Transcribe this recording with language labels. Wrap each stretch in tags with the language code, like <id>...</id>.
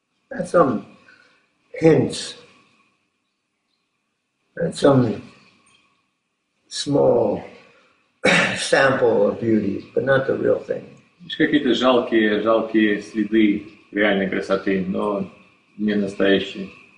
<en>And some hints. And some small sample of beauty, but not the real thing.</en> <ru>Лишь какие-то жалкие следы реальной красоты, но не настоящие.</ru>